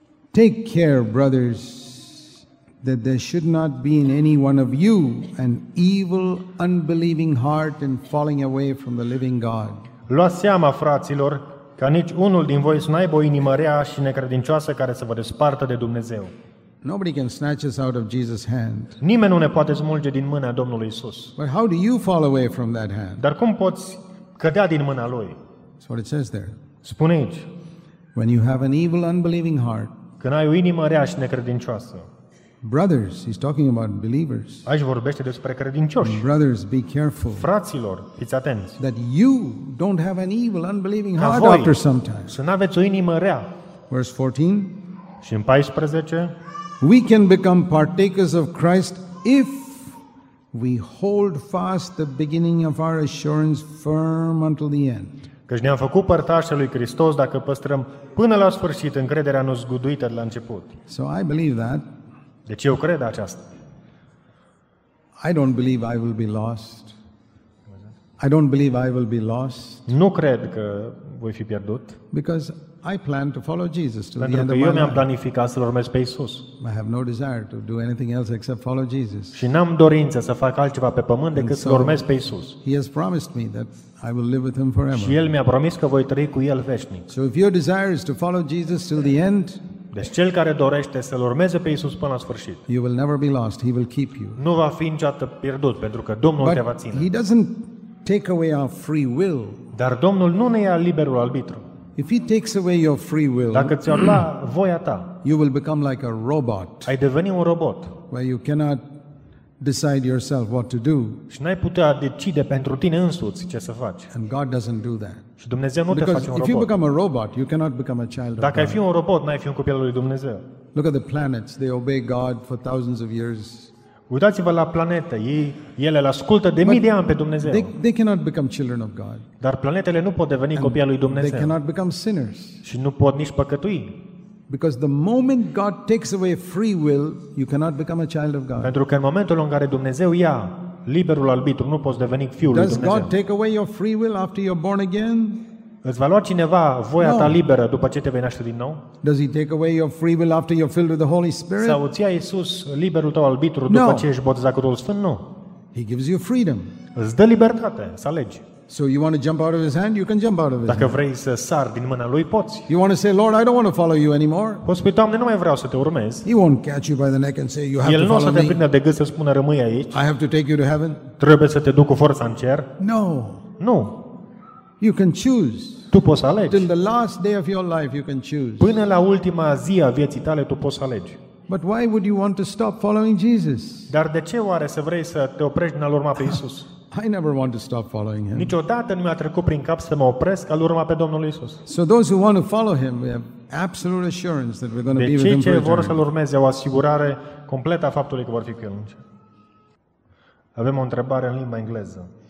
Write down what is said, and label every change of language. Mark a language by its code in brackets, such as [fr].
[en] Take care, brothers, that there should not be in any one of you an evil, unbelieving heart in falling away from the living God. [ro] Luați seama, fraților, ca nici unul din voi să n-aibă o inimă rea și necredincioasă care să vă despartă de Dumnezeu. [en] Nobody can snatch us out of Jesus' hand. [ro] Nimeni nu ne poate smulge din mâna Domnului Isus. [en] But how do you fall away from that hand? [ro] Dar cum poți cădea din mâna lui? [en] That's what it says there. [ro] Spune aici. [en] When you have an evil, unbelieving heart. [ro] Când ai o inimă rea și necredincioasă. [en] Brothers, he's talking about believers. [ro] Aici vorbește despre credincioși. [en] Brothers, be careful. [ro] Fraților, fiți atenți. [en] That you don't have an evil, unbelieving heart after some time. [ro] Să n-aveți o inimă rea. [en] Verse 14. [ro] Și în 14. [en] We can become partakers of Christ if we hold fast the beginning of our assurance firm until the end. [ro] Căci ne-am făcut părtași al lui Hristos dacă păstrăm până la sfârșit încrederea nezguduită de la început. [en] So I believe that. [ro] Deci eu cred aceasta. [en] I don't believe I will be lost. I don't believe I will be lost. [ro] Nu cred că voi fi pierdut. [en] Because I plan to follow Jesus to the end of my life. [ro] Eu mi-am planificat să-L urmez pe Iisus. [en] I have no desire to do anything else except follow Jesus. [ro] Și n-am dorință să fac altceva pe pământ decât să-L urmez pe Iisus. [en] He has promised me that I will live with him forever. [ro] Și El mi-a promis că voi trăi cu El veșnic. [en] So if your desire is to follow Jesus till the end, [ro] deci cel care dorește să-L urmeze pe Iisus până la sfârșit, [en] you will never be lost. He will keep you. [ro] Nu va fi niciodată pierdut, pentru că Domnul te va ține. [en] He doesn't take away our free will. [ro] Dar Domnul nu ne ia liberul arbitru. [en] If he takes away your free will, [ro] dacă ți-ar lua voia ta, [en] you will become like a robot. [ro] Ai deveni un robot. [en] Where you cannot decide yourself what to do. [ro] Și n-ai putea decide pentru tine însuți ce să faci. [en] And God doesn't do that. [ro] Și Dumnezeu nu te face un robot. [en] If you become a robot, you cannot become a child of God. [ro] Dacă ai fi un robot, n-ai fi un copil al lui Dumnezeu. [en] Look at the planets. They obey God for thousands of years. [ro] Uitați-vă la planete, ele îl ascultă de mii de ani pe Dumnezeu. [en] They cannot become children of God. [ro] Dar planetele nu pot deveni copii al lui Dumnezeu. [en] They cannot become sinners. [ro] Și nu pot nici păcătui. [en] Because the moment God takes away free will, you cannot become a child of God. [ro] Pentru că în momentul în care Dumnezeu ia liberul arbitru, nu poți deveni fiul lui Dumnezeu. [en] Does God take away your free will after you're born again? [ro] Îți va lua cineva voia ta liberă după ce te vei naște din nou? [en] Does he take away your free will after you're filled with the Holy Spirit? [ro] Sau îți ia Iisus liberul tău arbitru după ce ești botezat cu Duhul Sfânt? Nu. [en] He gives you freedom. [ro] Îți dă libertate să alegi. [en] So you want to jump out of his hand? You can jump out of his hand. [ro] Dacă vrei să sari din mâna lui, poți. [en] You want to say, Lord, I don't want to follow you anymore. [ro] Poți spui, Doamne, nu mai vreau să te urmez. [en] He won't catch you by the neck and say, you have to follow me. [ro] El nu o să te prindă de gât să spună, rămâi aici. [en] I have to take you to heaven. [ro] Trebuie să te duc cu forța în cer. [en] No. [ro] Nu. [en] You can choose. [ro] Tu poți alege. [en] Till the last day of your life, you can choose. [ro] Până la ultima zi a vieții tale, tu poți alege. [en] But why would you want to stop following Jesus? [ro] Dar de ce oare să vrei să te oprești din a-L urma pe Iisus? [en] I never want to stop following him. [ro] Niciodată nu mi-a trecut prin cap să mă opresc al urma pe Domnul Iisus. [en] So those who want to follow him, we have absolute assurance that we're going to be with him. [ro] Deci cei ce vor să-L urmeze au asigurare completă a faptului că vor fi cu el. Avem o întrebare în limba engleză.